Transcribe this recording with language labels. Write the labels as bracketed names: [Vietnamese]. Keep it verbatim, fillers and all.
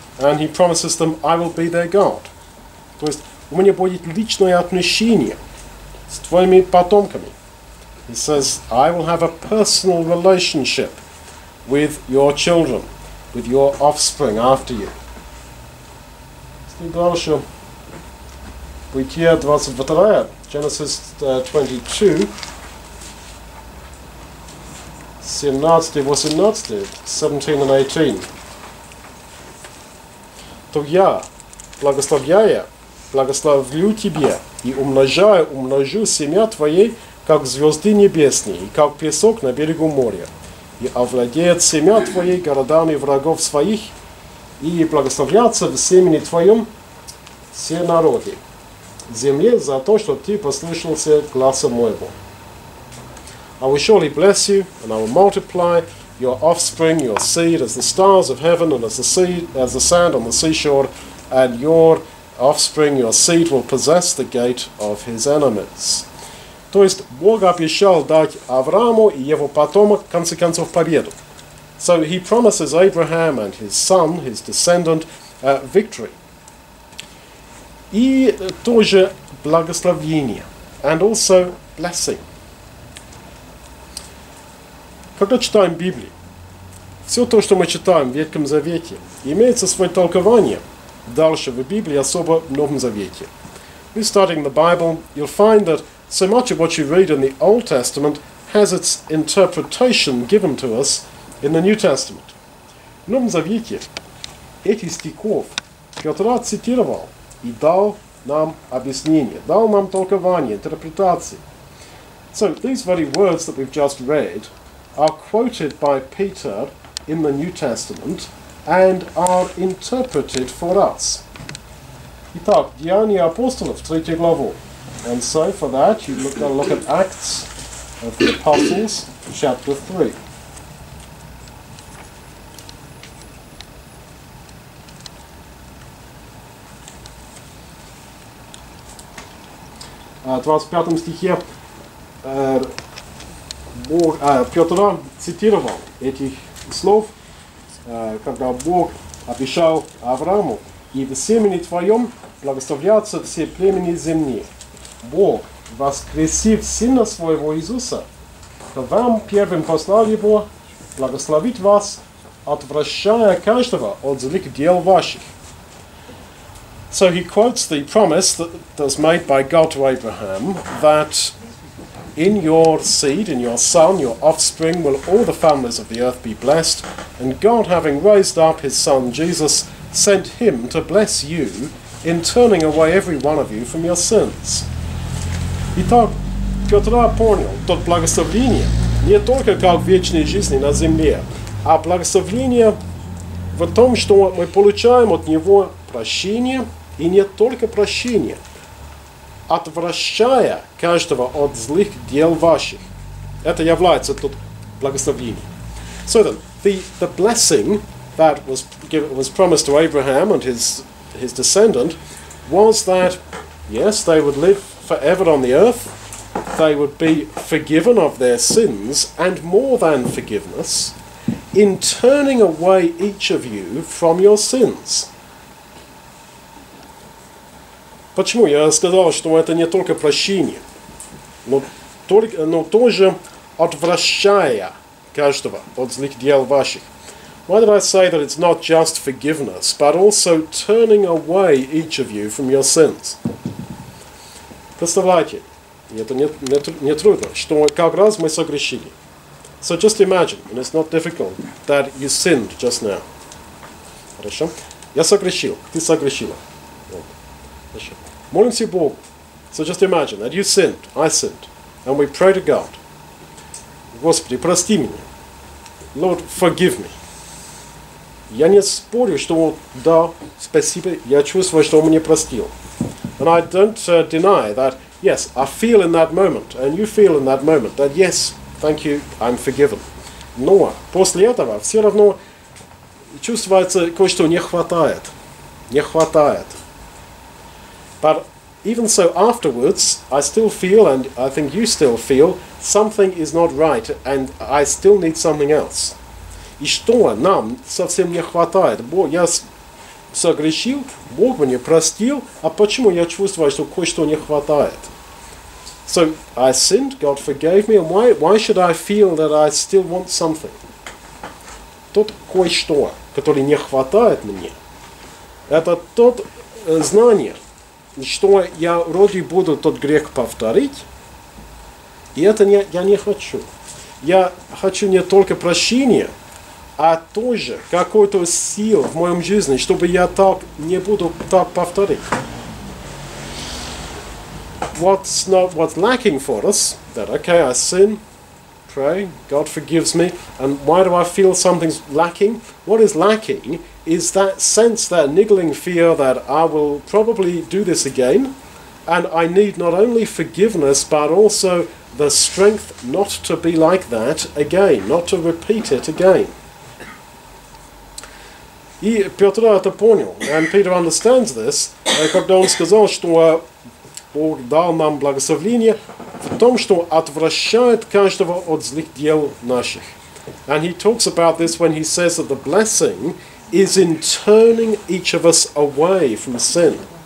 [English] And he promises them, I will be their God. [Russian] То есть, у меня будет личное отношение с твоими потомками. [English] He says, I will have a personal relationship with your children, with your offspring after you. [Russian] И дальше, Бытие двадцать два, [English] Genesis twenty-two, [Russian] семнадцать восемнадцать, [English] seventeen and eighteen. [Russian] То я, благословляя, благословлю тебе и умножаю, умножу семя твоей, как звезды небесные, и как песок на берегу моря. И овладеет семя твоей городами врагов своих, и благословлятся в семени твоем все народы земли за то, что ты послушался гласа моего. [English] I will surely bless you, and I will multiply your offspring, your seed, as the stars of heaven and as the sea, as the sand on the seashore, and your offspring, your seed, will possess the gate of his enemies. [Russian] То есть Бог обещал дать Аврааму и его потомок, в конце концов, победу. [English] So he promises Abraham and his son, his descendant, uh, victory. [Russian] И тоже благословение. [English] And also blessing. [Russian] Когда читаем Библию, все то, что мы читаем в Ветхом Завете, имеется свое толкование дальше в Библии, особо в Новом Завете. [English] When studying the Bible, you'll find that so much of what you read in the Old Testament has its interpretation given to us in the New Testament. [Russian] В Новом Завете этих стихов Петр цитировал и дал нам объяснение, дал нам толкование, интерпретации. [English] So these very words that we've just read are quoted by Peter in the New Testament and are interpreted for us. [Russian] Итак, Деяния апостолов, третью главу. [English] And so for that, you're going to look at Acts of the Apostles, chapter three. [Russian] В двадцать пятом стихе Бог, э, Петр цитировал этих слов, э, когда Бог обещал Аврааму, и в семени твоем благословятся все племени земные. Бог, воскресив Сына Своего Иисуса, к вам первым послал Его благословить вас, отвращая каждого от злых дел ваших. [English] So he quotes the promise that was made by God to Abraham, that in your seed, in your son, your offspring, will all the families of the earth be blessed. And God, having raised up his son Jesus, sent him to bless you in turning away every one of you from your sins. [Russian] Итак, Петр понял, тот благословение не только как вечной жизни на земле, а благословение в том, что мы получаем от него прощение, и не только прощение, отвращая каждого от злых дел ваших. Это является тут благословением. [English] So then, the, the blessing that was given, was promised to Abraham and his his descendant was that, yes, they would live forever on the earth, they would be forgiven of their sins, and more than forgiveness, in turning away each of you from your sins. [Russian] Почему? Я сказал, что это не только прощение, но, только, но тоже отвращая каждого от злых дел ваших. [English] Why did I say that it's not just forgiveness, but also turning away each of you from your sins? [Russian] Представляете, это не, не, не трудно, что как раз мы согрешили. So just imagine, and it's not difficult, that you sinned just now. Хорошо? Я согрешил, ты согрешила. Вот. Хорошо. Молимся Богу. [English] So just imagine that you sinned, I sinned, and we pray to God. [Russian] Господи, прости меня. [English] Lord, forgive me. [Russian] Я не спорю, что да, спасибо, я чувствую, что он меня простил. [English] And I don't uh, deny that, yes, I feel in that moment, and you feel in that moment, that yes, thank you, I'm forgiven. [Russian] Но после этого все равно чувствуется кое-что не хватает. Не хватает. [English] But even so afterwards, I still feel, and I think you still feel, something is not right, and I still need something else. [Russian] И что нам совсем не хватает? Бог, я согрешил, Бог меня простил, а почему я чувствую, что кое-что не хватает? [English] So I sinned, God forgave me, and why, why should I feel that I still want something? [Russian] Тот кое-что, который не хватает мне, это тот э, знание, что я вроде буду тот грех повторить, и это не, я не хочу. Я хочу не только прощения, а тоже какой-то сил в моем жизни, чтобы я так не буду так повторить. [English] What's not what's lacking for us? That okay, I sin, pray, God forgives me, and why do I feel something's lacking? What is lacking is that sense, that niggling fear that I will probably do this again, and I need not only forgiveness but also the strength not to be like that again, not to repeat it again. [Russian] И Петр это понял, [English] and Peter understands this, [Russian] когда он сказал, что Бог дал нам благословение в том, что отвращает каждого от злых дел наших. [English] And he talks about this when he says that the blessing is in turning each of us away from sin.